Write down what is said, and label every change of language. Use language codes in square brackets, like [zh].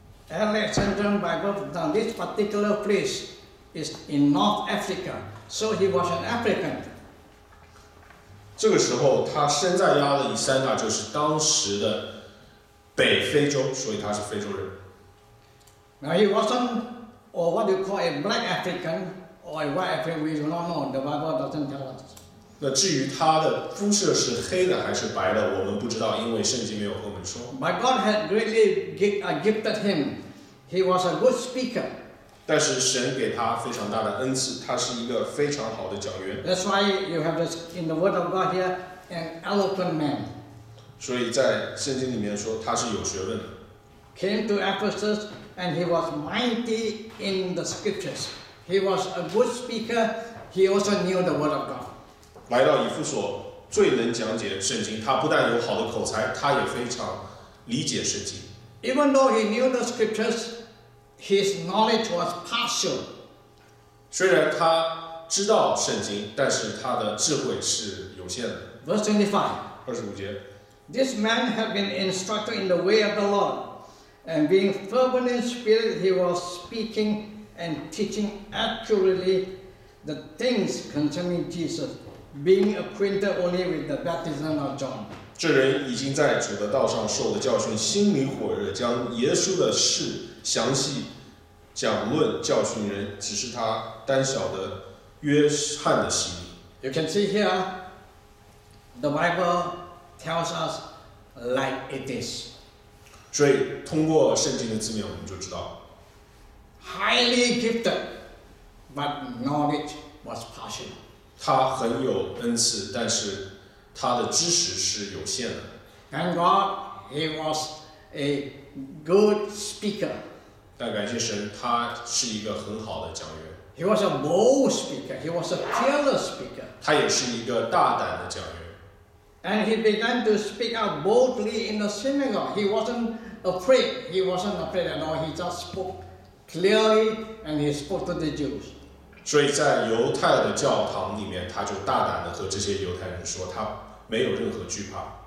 [en] Alexandrian by birth. Now this particular place is in North Africa, so he was an African. [zh] 这个时候他身在亚历山大，就是当时的北非洲，所以他是非洲人。 [en] Now he wasn't, or what you call a black African, or a white African, we do not know, the Bible doesn't tell us. [zh] 那至于他的肤色是黑的还是白的，我们不知道，因为圣经没有和我们说。 [en] But God had greatly gifted him. He was a good speaker. [zh] 但是神给他非常大的恩赐，他是一个非常好的讲员。 [en] That's why you have this in the Word of God here, an eloquent man. [zh] 所以在圣经里面说他是有学问的。 [en] Came to Ephesus and he was mighty in the Scriptures. He was a good speaker. He also knew the Word of God. [zh] 来到以弗所，最能讲解圣经。他不但有好的口才，他也非常理解圣经。 [en] Even though he knew the Scriptures. His knowledge was partial. [zh] 虽然他知道圣经，但是他的智慧是有限的。 [en] Verse 25. [zh] 二十五节。 [en] This man had been instructed in the way of the Lord, and being fervent in spirit, he was speaking and teaching accurately the things concerning Jesus, being acquainted only with the baptism of John. [zh] 这人已经在主的道上受了教训，心里火热，将耶稣的事详细讲论教训人，只是他单晓得约翰的洗礼。 [en] You can see here, the Bible tells us like it is. [zh] 所以通过圣经的字面，我们就知道 [en] ，highly gifted, but knowledge was partial. [zh] 他很有恩赐，但是。他的知识是有限的。 [en] Thank God, he was a good speaker. [zh] 但感谢神，他是一个很好的讲员。 [en] He was a bold speaker. He was a fearless speaker. [zh] 他也是一个大胆的讲员。 [en] And he began to speak out boldly in the synagogue. He wasn't afraid. He wasn't afraid at all. He just spoke clearly, and he spoke to the Jews. [zh] 所以在犹太的教堂里面，他就大胆地和这些犹太人说，他没有任何惧怕。